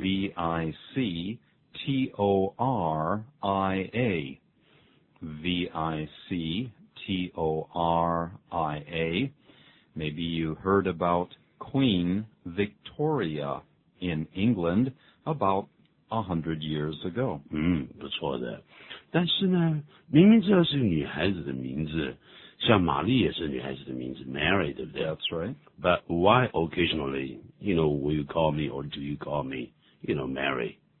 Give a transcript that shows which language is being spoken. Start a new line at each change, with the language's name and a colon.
English: V-I-C-T-O-R-I-A. V-I-C-T-O-R-I-A. Maybe you heard about Queen Victoria in England about 100 years ago.
Chinese: 嗯，不错的。但是呢，明明知道是女孩子的名字，像玛丽也是女孩子的名字 ，Mary， 对不对
English: ？That's right. But why occasionally, you know, will you call me or do you call me, you know, Mary?